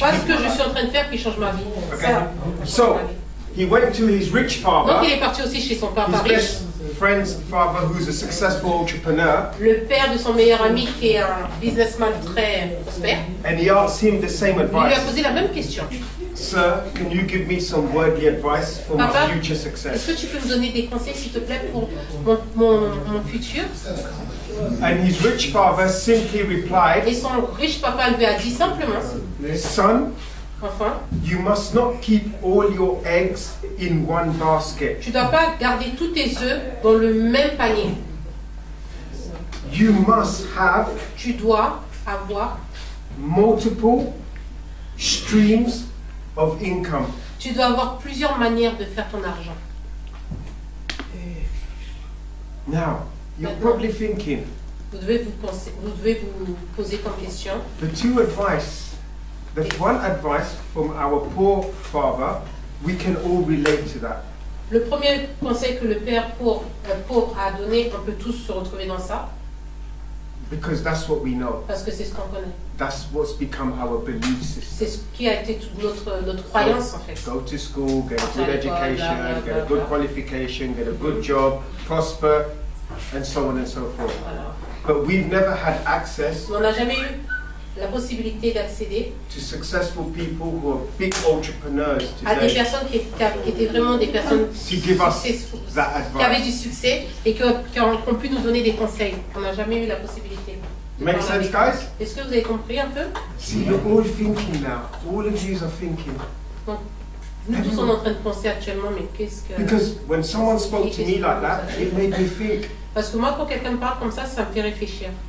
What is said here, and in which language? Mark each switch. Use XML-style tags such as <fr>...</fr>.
<fr>Parce que je suis en train de faire qui change ma vie.</fr> <en>Okay. So he went to his rich father.</en> <fr>Donc il est parti aussi chez son père riche.</fr> <en>His best friend's father, who's a successful entrepreneur.</en> <fr>Le père de son meilleur ami qui est un businessman très prospère.</fr> <en>And he asked him the same advice.</en> <fr>Il lui a posé la même question.</fr> <en>Sir, can you give me some worldly advice for</en> <fr>Papa,</fr> <en>my future success?</en> <fr>Est-ce que tu peux me donner des conseils, s'il te plaît, pour mon futur?</fr> <en>And his rich father simply replied.</en> <fr>Et son riche papa lui a dit simplement.</fr> <en>Son.</en> <fr>Enfant.</fr> <en>You must not keep all your eggs in one basket.</en> <fr>Tu ne dois pas garder tous tes œufs dans le même panier.</fr> <en>You must have.</en> <fr>Tu dois avoir.</fr> <en>Multiple streams. Of income.</en> <fr>Tu dois avoir plusieurs manières de faire ton argent.</fr> <en>Now, you're probably thinking.</en> <fr>Vous devez vous poser comme question.</fr> <en>The two advice, the one advice from our poor father, we can all relate to that.</en> <fr>Le premier conseil que le père pauvre a donné, on peut tous se retrouver dans ça.</fr> <en>Because that's what we know.</en> <fr>Parce que c'est ce qu'on connaît.</fr> <en>That's what's become our belief system.</en> <fr>C'est ce qui a été toute notre croyance en fait.</fr> <en>Go to school, get a good education, get a good qualification, get a good job, prosper, and so on and so forth.</en> <fr>Voilà.</fr> <en>But we've never had access.</en> <fr>On n'a jamais eu la possibilité d'accéder.</fr> <en>To successful people who are big entrepreneurs today.</en> <fr>À des personnes qui étaient vraiment des personnes successful, qui avaient du succès et qui ont pu nous donner des conseils. On n'a jamais eu la possibilité.</fr> <en>Make sense, guys?</en> <fr>Est-ce que vous avez compris un peu?</fr> <en>See, you're all thinking now. All of you are thinking.</en> <fr>Nous tous sommes en train de penser actuellement, mais qu'est-ce que...</fr> <en>Because when someone spoke to me like that, it made me think.</en> <fr>Parce que moi, quand quelqu'un me parle comme ça, ça me fait réfléchir.</fr>